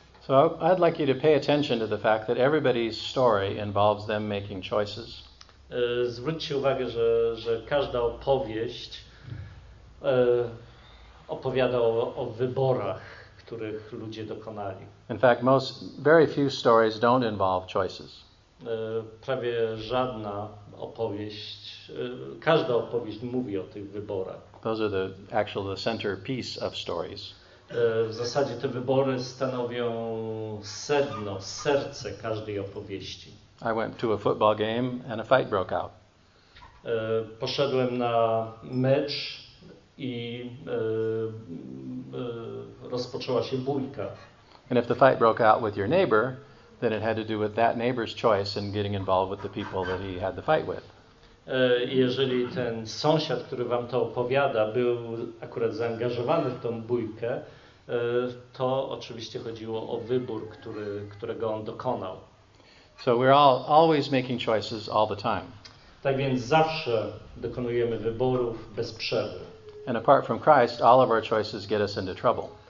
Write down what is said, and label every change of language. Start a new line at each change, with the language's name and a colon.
English: So I'd like you to pay attention to the fact that everybody's story involves them making choices.
Polish: Zwróćcie uwagę, że każda opowieść opowiada o wyborach, których ludzie dokonali.
English: In fact, very few stories don't involve choices.
Polish: Prawie żadna opowieść, każda opowieść mówi o tych wyborach.
English: Those are the centerpiece of stories.
Polish: W zasadzie te wybory stanowią sedno, serce każdej opowieści.
English: I went to a football game and a fight broke out.
Polish: Poszedłem na mecz i rozpoczęła się bójka.
English: And if the fight broke out with your neighbor, then it had to do with that neighbor's choice in getting involved with the people that he had the fight with.
Polish: Jeżeli ten sąsiad, który wam to opowiada, był akurat zaangażowany w tą bójkę, to oczywiście chodziło o wybór, którego on dokonał.
English: So we're all always making choices all the time.
Polish: Tak więc zawsze dokonujemy wyborów bez przerwy.
English: And apart from Christ, all of our choices get us into trouble.